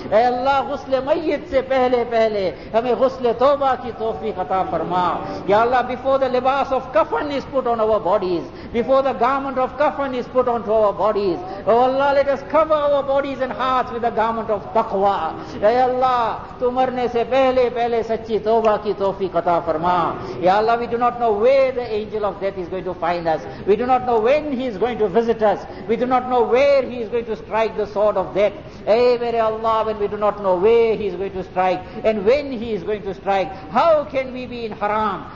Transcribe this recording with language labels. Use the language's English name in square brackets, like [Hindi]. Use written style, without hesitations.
[Urdu] اے اللہ غسل میت سے پہلے پہلے ہمیں غسل توبہ کی توفیق عطا فرما. [English] یا اللہ, before the libas of kafan is put on our bodies, before the garment of kafan is put onto our bodies, oh Allah, let us cover our bodies and hearts with the garment of taqwa. [Urdu] اے اللہ, تو مرنے سے پہلے پہلے سچی توبہ کی توفیق عطا فرما. [English] یا اللہ, we do not know where the angel of death is going to find us. We do not know when he is going to visit us. We do not know where he is going to strike the sword of death. [Urdu] Ey mere Allah, [English] when we do not know where he is going to strike and when he is going to strike, how can we be in haram?